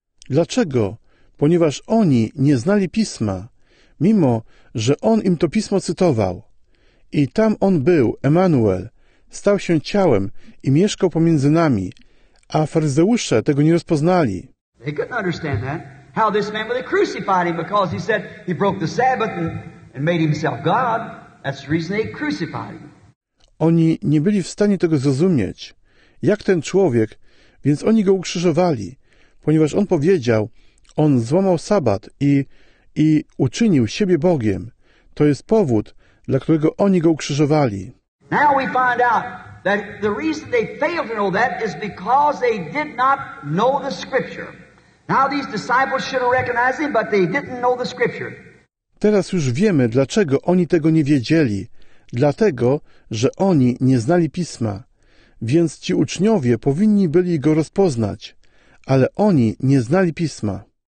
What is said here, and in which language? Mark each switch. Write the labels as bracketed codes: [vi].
[pl] Dlaczego? Ponieważ oni nie znali Pisma, mimo że on im to Pismo cytował. I tam on był, Emmanuel, stał się ciałem i mieszkał pomiędzy nami, a faryzeusze tego nie rozpoznali. [en] They couldn't understand that, how this man would have crucified him, because he said he broke the Sabbath and made himself God. That's the reason they crucified him. [pl] Oni nie byli w stanie tego zrozumieć, jak ten człowiek, więc oni go ukrzyżowali, ponieważ on powiedział, on złamał sabat i uczynił siebie Bogiem. To jest powód, dla którego oni go ukrzyżowali. [en] Now we find out that the reason they failed to know that is because they did not know the scripture. Now these disciples should have recognized him, but they didn't know the scripture. [pl] Teraz już wiemy, dlaczego oni tego nie wiedzieli. Dlatego, że oni nie znali Pisma, więc ci uczniowie powinni byli go rozpoznać, ale oni nie znali Pisma.